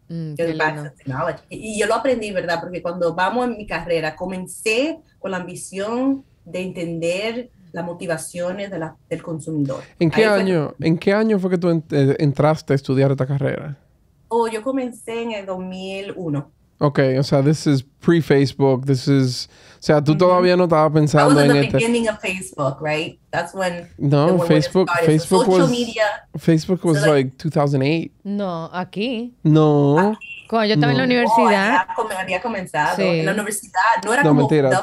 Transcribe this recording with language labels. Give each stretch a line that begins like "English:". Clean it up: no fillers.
Spanish: Y yo lo aprendí, ¿verdad? Porque cuando vamos en mi carrera, comencé con la ambición de entender las motivaciones de del consumidor. ¿En qué año fue que tú entraste a estudiar esta carrera? Oh, yo comencé en el 2001.
English: Ok,
Spanish: o sea,
English: this is pre-Facebook, this is...
Spanish: O sea, tú todavía no estabas pensando en este...
English: That was the beginning of Facebook, right? That's when... No, Facebook, when Facebook so social was... Media. Facebook was so like 2008.
Spanish: No, aquí. No. Aquí. Cuando yo estaba en la universidad. Había comenzado en la universidad. No era como mentira,